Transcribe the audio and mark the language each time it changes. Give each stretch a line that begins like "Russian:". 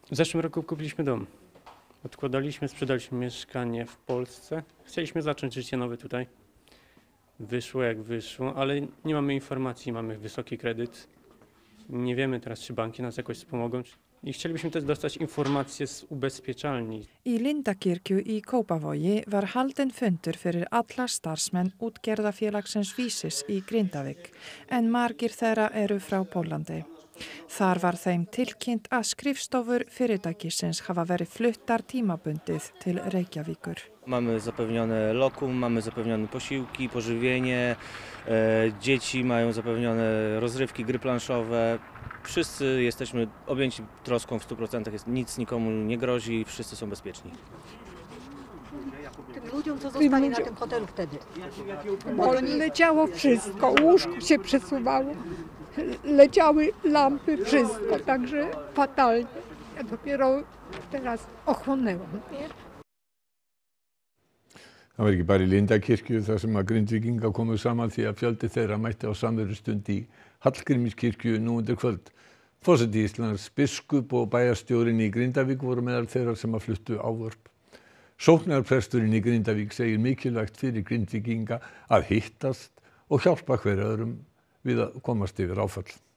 Polish: W zeszłym roku kupiliśmy dom. Odkładaliśmy, sprzedaliśmy mieszkanie w Polsce. Chcieliśmy zacząć życie nowe tutaj. Wyszło jak wyszło, ale nie mamy informacji, mamy wysoki kredyt. Nie wiemy teraz, czy banki nas jakoś wspomogą. I chcielibyśmy też dostać informacje z ubezpieczalni.
Icelandic: I Lindakirkju i Kópavogi var haldin fundur fyrir alla starfsmenn útgerðafélagsins Vísis í Grindavík, en margir þeirra eru frá Póllandi. Þar var þeim tilkynnt að skrifstofur fyrirtækisins hafa verið fluttar tímabundið til Reykjavíkur.
Polish: Mamy zapewnione lokum, mamy zapewnione posiłki, pożywienie, dzieci mają zapewnione rozrywki, gry planszowe. Wszyscy jesteśmy objęci troską w 100%, nic nikomu nie grozi, wszyscy są bezpieczni. Tym ludziom, co zostali na tym hotelu wtedy? Bo leciało wszystko, łóżko się przesuwało, leciały lampy, wszystko, także fatalnie. Ja dopiero teraz ochłonęłam.
Icelandic: Það var ekki bara í Lindakirkju þar sem að Grindvíkinga komu saman því að fjöldi þeirra mætti á samverustund í Hallgrímskirkju nú undir kvöld. Forseti Íslands, biskup og bæjarstjórinn í Grindavík voru meðal þeirra sem að fluttu ávörp. Sóknarpresturinn í Grindavík segir mikilvægt fyrir Grindvíkinga að hittast og hjálpa hver öðrum við að komast yfir áfall.